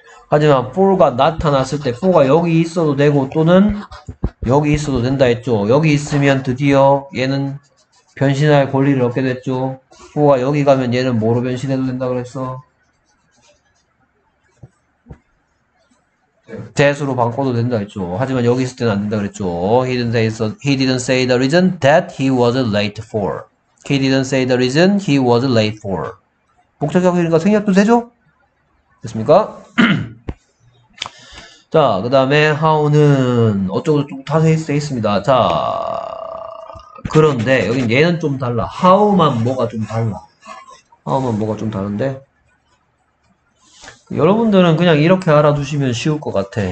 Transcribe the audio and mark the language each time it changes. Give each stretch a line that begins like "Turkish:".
Korean: 하지만 for가 나타났을 때 for가 여기 있어도 되고 또는 여기 있어도 된다 했죠. 여기 있으면 드디어 얘는 변신할 권리를 얻게 됐죠. for가 여기 가면 얘는 뭐로 변신해도 된다고 그랬어? that으로 바꿔도 된다 했죠. 하지만 여기 있을 때는 안 된다 그랬죠.
English: He didn't say the reason that he was late for. He didn't say the reason he was late for.
Korean: 복잡하니까 생략도 되죠? 됐습니까? 자, 그 다음에 how는 어쩌고 저쩌고 다 되어 있습니다. 자, 그런데 여기 얘는 좀 달라. how만 뭐가 좀 달라. how만 뭐가 좀 다른데 여러분들은 그냥 이렇게 알아두시면 쉬울 것 같아.